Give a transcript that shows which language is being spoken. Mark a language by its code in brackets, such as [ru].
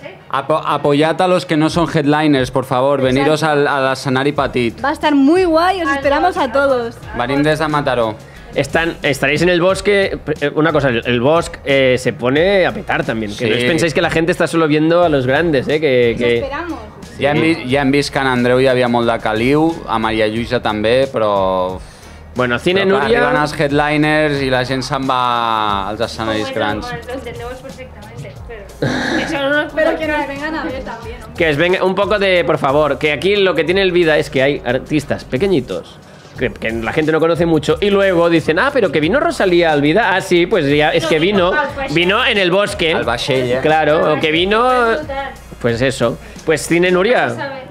[es] Apoyad a los que no son headliners, por favor. Exacto. Veniros a la Sanar y Petit. Va a estar muy guay, os esperamos a todos. Barindes a Mataró. Estaréis en el bosque. Una cosa, el bosque se pone a petar también. Sí. Que no os penséis que la gente está solo viendo a los grandes. Que... Os esperamos. Sí. [ca] Ja hem vist que en Andreu hi havia molt de caliu, a Maria Lluïsa també, però... [es] Bueno, Cine Núria... [ca] Arriben els headliners i la gent se'n va als escenaris grans. [es] Que es venga un poco de, por favor, que aquí lo que tiene el vida es que hay artistas pequeñitos, que la gente no conoce mucho, y luego dicen, pero que vino Rosalía al vida. Sí, pues ya, es que vino en el bosque. [ca] Al vaixell, [es] claro, o que vino... Pues eso. Pues Cine Núria.